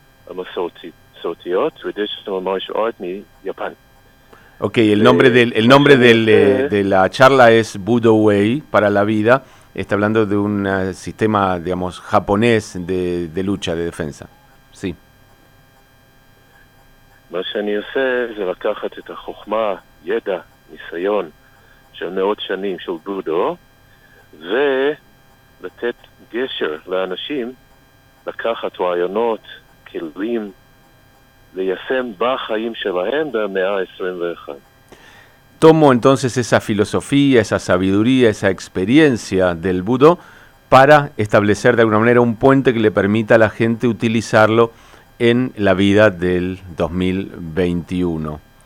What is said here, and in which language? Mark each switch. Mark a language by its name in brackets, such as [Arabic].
[Hebrew] המסורתיות, [English] traditional martial art, [Hebrew] מיפן. [Spanish] Okay, el nombre de la charla es Budo Way, para la vida. Está hablando de un sistema, digamos, japonés de lucha, de defensa. Sí. [Hebrew] מה שאני עושה זה לקחת את החוכמה, ידע, ניסיון של מאות שנים של בודו, ולתת גשר לאנשים לקחת רעיונות, כלים ליישם בחיים שלהם במאה ה-21. [Spanish] Tomo entonces esa filosofía, esa sabiduría, esa experiencia del budo para establecer de alguna manera un puente que le permita a la gente utilizarlo en la vida del 2021.